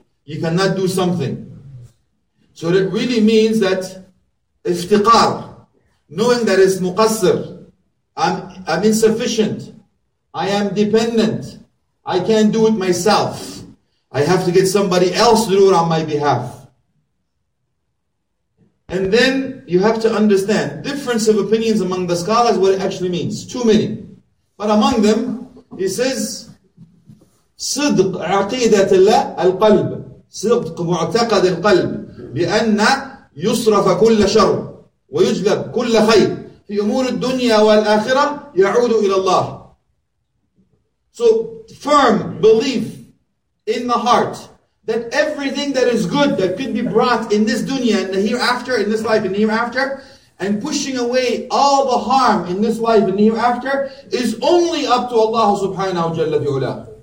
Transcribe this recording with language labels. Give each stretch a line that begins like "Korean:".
English: You cannot do something. So it really means that iftiqar, knowing that it's muqassir, I'm insufficient, I am dependent, I can't do it myself, I have to get somebody else to do it on my behalf. And then you have to understand difference of opinions among the scholars what it actually means. Too many. But among them, he says,
Arabic: صدق عقيدة القلب صدق معتقد القلب بأن يصرف كل شر ويجلب كل خير في أمور الدنيا والآخرة يعود إلى الله.
English: So firm belief in the heart that everything that is good that could be brought in this dunya and the hereafter, in this life and the hereafter, and pushing away all the harm in this life and the hereafter, is only up to Allah subhanahu wa jalla fi ula.